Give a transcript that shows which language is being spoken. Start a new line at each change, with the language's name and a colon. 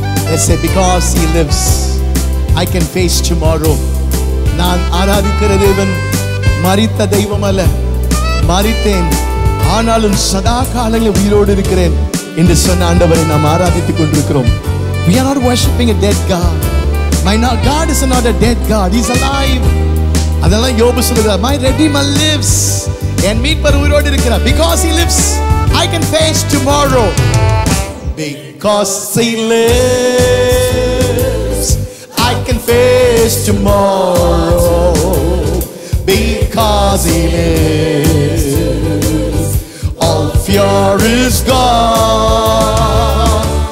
English: Let's say, because he lives, I can face tomorrow.
Tamil: நான் ஆராதிக்கிற தேவன் மரித்த தெய்வம் அல்ல மரித்தேன் ஆனாலும் சதா காலங்களில் உயிரோடு இருக்கிறேன் என்று சொன்ன ஆண்டவரை நாம் ஆராதித்துக் கொண்டிருக்கிறோம்
English: We are not worshiping a dead God. My God is not a dead God. He is alive.
Tamil: அதெல்லாம் யோபு சொல்றார்
English: My Redeemer lives.
Tamil: என் மீட்பர் உயிரோடு இருக்கிறார்
English: Because he lives, I can face tomorrow. Because he lives, I can face tomorrow. Because he lives, all fear is gone.